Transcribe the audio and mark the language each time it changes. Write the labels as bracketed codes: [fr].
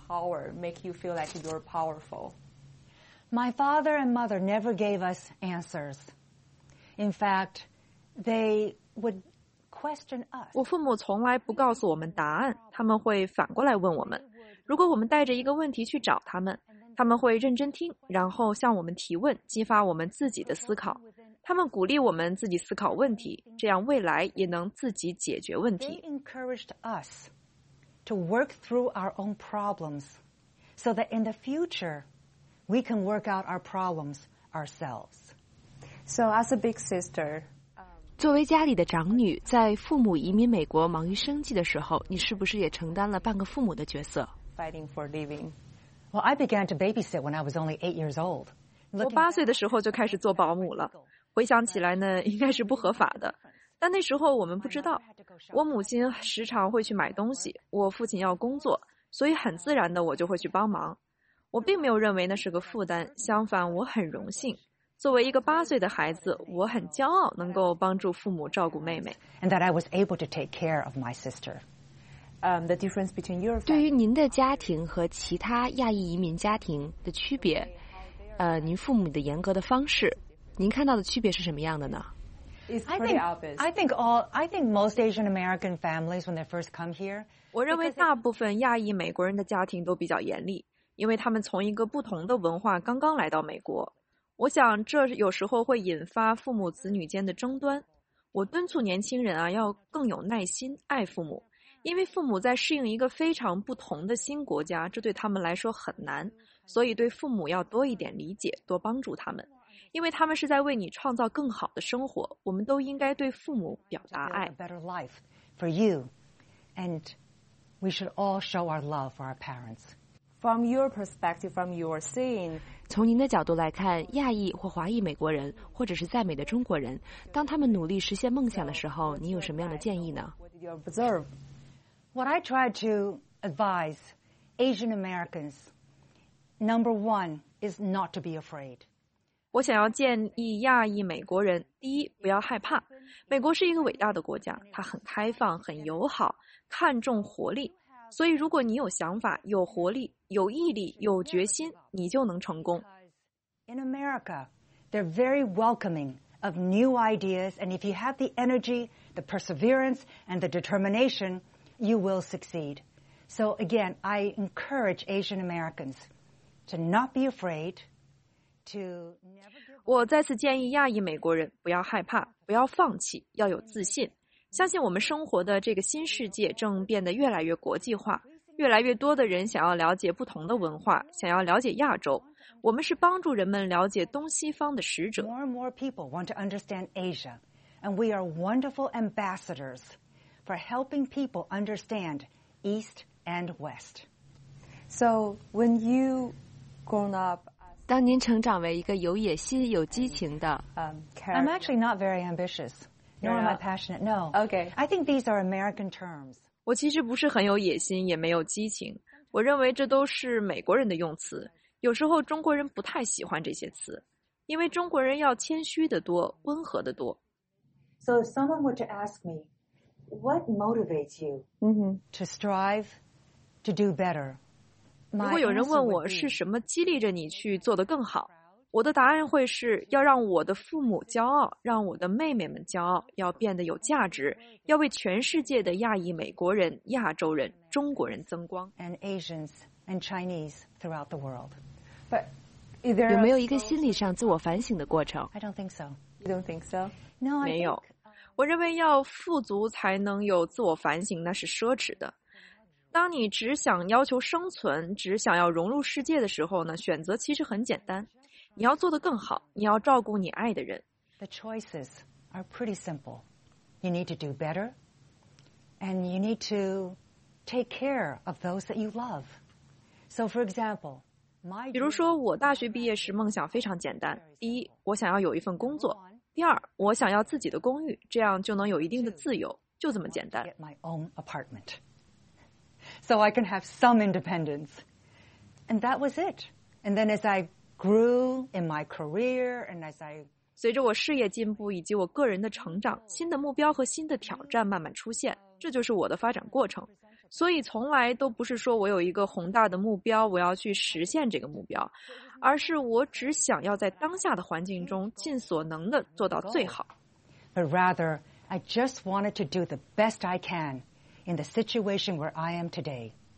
[en] Power make you feel like you're powerful. My father and mother never gave us answers. In fact, they would question us. [zh] 我父母从来不告诉我们答案，他们会反过来问我们。如果我们带着一个问题去找他们，他们会认真听，然后向我们提问，激发我们自己的思考。他们鼓励我们自己思考问题，这样未来也能自己解决问题。 [en] They encouraged us to work through our own problems so that in the future we can work out our problems ourselves. So as a big sister, [zh] 作为家里的长女，在父母移民美国忙于生计的时候，你是不是也承担了半个父母的角色？ [en] Fighting for living. Well, I began to babysit when I was only 8 years old. [zh] 我八岁的时候就开始做保姆了。回想起来呢，应该是不合法的，但那时候我们不知道。我母亲时常会去买东西，我父亲要工作，所以很自然的我就会去帮忙。我并没有认为那是个负担，相反我很荣幸。作为一个八岁的孩子，我很骄傲能够帮助父母照顾妹妹。 [en] And that I was able to take care of my sister. The difference between your [zh] 对于您的家庭和其他亚裔移民家庭的区别，您父母的严格的方式。您看到的区别是什么样的呢？ [en] I think most Asian American families when they first come here, [zh] 我认为大部分亚裔美国人的家庭都比较严厉，因为他们从一个不同的文化刚刚来到美国。我想这有时候会引发父母子女间的争端。我敦促年轻人啊，要更有耐心，爱父母，因为父母在适应一个非常不同的新国家，这对他们来说很难，所以对父母要多一点理解，多帮助他们。因为他们是在为你创造更好的生活，我们都应该对父母表达爱。 [en] Better life for you, and we should all show our love for our parents. From your perspective, from your seeing, [zh] 从您的角度来看，亚裔或华裔美国人，或者是在美的中国人，当他们努力实现梦想的时候，您有什么样的建议呢 [en] ？What did you observe? What I try to advise Asian Americans, number one, is not to be afraid. [zh] 我想要建议亚裔美国人，第一，不要害怕。美国是一个伟大的国家，它很开放，很友好，看重活力。所以如果你有想法，有活力，有毅力，有决心，你就能成功。 [en] In America, they're very welcoming of new ideas, and if you have the energy, the perseverance, and the determination, you will succeed. So again, I encourage Asian Americans to not be afraid, [zh] 我再次建议亚裔美国人不要害怕，不要放弃，要有自信，相信我们生活的这个新世界正变得越来越国际化，越来越多的人想要了解不同的文化，想要了解亚洲，我们是帮助人们了解东西方的使者。 [en] More and more people want to understand Asia, and we are wonderful ambassadors for helping people understand East and West. So when you grown up, [zh] 当您成长为一个有野心、有激情的 [en] I'm actually not very ambitious, nor am I passionate. No. Okay. I think these are American terms. [zh] 我其实不是很有野心，也没有激情。我认为这都是美国人的用词。有时候中国人不太喜欢这些词，因为中国人要谦虚的多，温和的多。 [en] So if someone were to ask me, what motivates you to strive to do better? [zh] 如果有人问我是什么激励着你去做得更好，我的答案会是要让我的父母骄傲，让我的妹妹们骄傲，要变得有价值，要为全世界的亚裔美国人、亚洲人、中国人增光。 [en] And Asians. And Chinese throughout the world. But is there [zh] 有没有一个心理上自我反省的过程 [en] ？I don't think so. You don't think so? No, I [zh] 没有。我认为要富足才能有自我反省，那是奢侈的。当你只想要求生存，只想要融入世界的时候呢，选择其实很简单。你要做得更好，你要照顾你爱的人。 [en] The choices are pretty simple. You need to do better, and you need to take care of those that you love. So, for example, [zh] 比如说我大学毕业时梦想非常简单，第一，我想要有一份工作，第二，我想要自己的公寓，这样就能有一定的自由，就这么简单。 [en] Get my own apartment, so I can have some independence. And that was it. And then as I grew in my career, and as I [zh] 随着我事业进步以及我个人的成长，新的目标和新的挑战慢慢出现，这就是我的发展过程。所以从来都不是说我有一个宏大的目标，我要去实现这个目标，而是我只想要在当下的环境中尽所能的做到最好。 [en] But rather, I just wanted to do the best I can in the situation where I am today.